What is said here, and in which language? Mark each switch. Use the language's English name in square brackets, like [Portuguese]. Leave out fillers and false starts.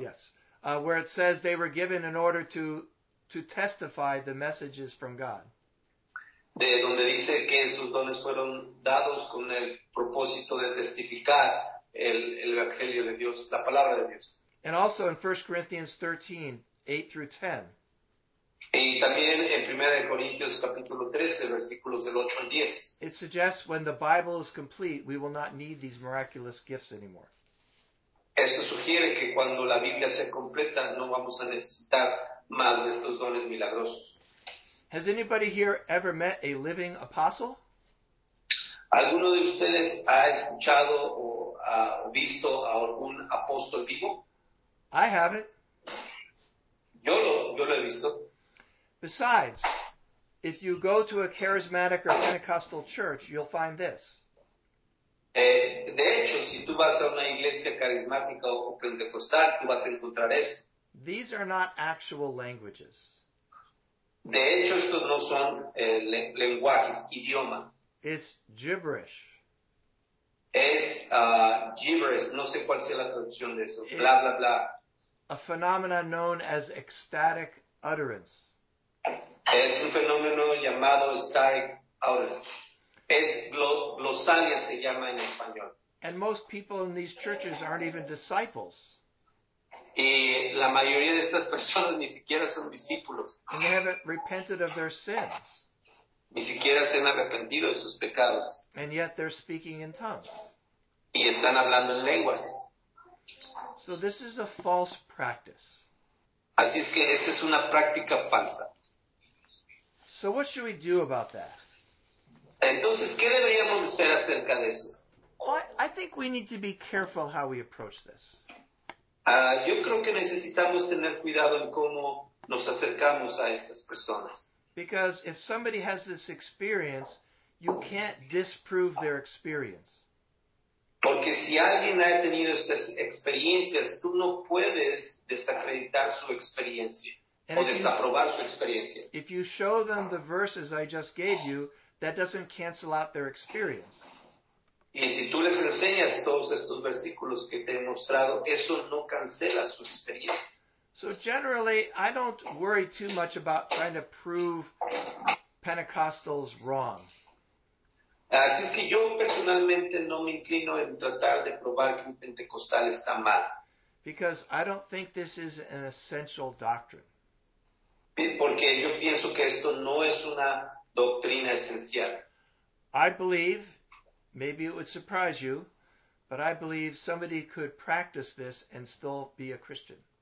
[English] Yes, where it says they were given in order to testify the messages from God. [Spanish] De donde dice que esos dones fueron dados con el propósito de testificar el Evangelio de Dios, la Palabra de Dios. [English] And also in 1 Corinthians 13, 8 through 10. [Spanish] Y también en 1 Corintios capítulo 13, versículos del 8 al 10. [English] It suggests when the Bible is complete, we will not need these miraculous gifts anymore. [Spanish] Esto sugiere que cuando la Biblia se completa, no vamos a necesitar más de estos dones milagrosos. [English] Has anybody here ever met a living apostle? [Spanish] ¿Alguno de ustedes ha escuchado o ha visto a algún apóstol vivo? [English] I haven't. [Spanish] Yo lo he visto. [English] Besides, if you go to a charismatic or Pentecostal church, you'll find this. [Spanish] De hecho, si tú vas a una iglesia carismática o pentecostal, tú vas a encontrar esto. [English] These are not actual languages. [Spanish] De hecho, estos no son lenguajes, idiomas. [English] It's gibberish. [Spanish] Es gibberish. No sé cuál sea la traducción de eso. Bla, bla, bla. [English] A phenomenon known as ecstatic utterance. [Spanish] Es un fenómeno llamado [English] ecstatic utterance. [Spanish] Es glosalia, se llama en español. [English] And most people in these churches aren't even disciples. [Spanish] Y la mayoría de estas personas ni siquiera son discípulos. [English] And they haven't repented of their sins. [Spanish] Ni siquiera se han arrepentido de sus pecados. [English] And yet they're speaking in tongues. [Spanish] Y están hablando en lenguas. [English] So this is a false practice. [Spanish] Así es que esta es una práctica falsa. [English] So what should we do about that? [Spanish] Entonces, ¿qué deberíamos hacer acerca de eso? [English] I think we need to be careful how we approach this. [Spanish] Yo creo que necesitamos tener cuidado en cómo nos acercamos a estas personas. [English] Because if somebody has this experience, you can't disprove their experience. [Spanish] Porque si alguien ha tenido estas experiencias, tú no puedes desacreditar su experiencia. And o desaprobar su experiencia. [English] If you show them the verses I just gave you, that doesn't cancel out their experience. [Spanish] Y si tú les enseñas todos estos versículos que te he mostrado, eso no cancela su experiencia. [English] So generally, I don't worry too much about trying to prove Pentecostals wrong. [Spanish] Así es que yo personalmente no me inclino en tratar de probar que un pentecostal está mal. [English] Because I don't think this is an essential doctrine. [Spanish] Porque yo pienso que esto no es una doctrina esencial. [English] I believe, maybe it would surprise you, but I believe somebody could practice this and still be a Christian.